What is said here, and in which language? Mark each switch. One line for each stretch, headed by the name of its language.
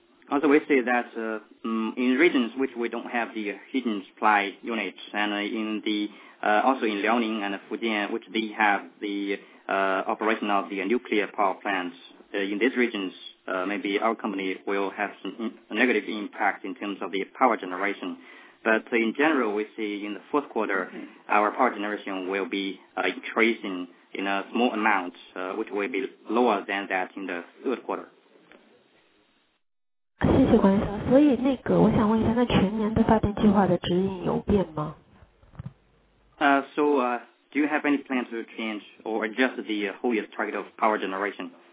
English: also we see that in regions which we don't have the heating supply units, and in the also in Liaoning and Fujian, which they have the operation of the nuclear power plants, in these regions, maybe our company will have some negative impact in terms of the power generation. But in general, we see in the fourth quarter, our power generation will be increasing in a small amount, which will be lower than that in the third quarter.
Chinese: 谢谢管理层。所以那个我想问一下，那全年的发电计划的指引有变吗？
English: do you have any plan to change or adjust the whole year's target of power generation?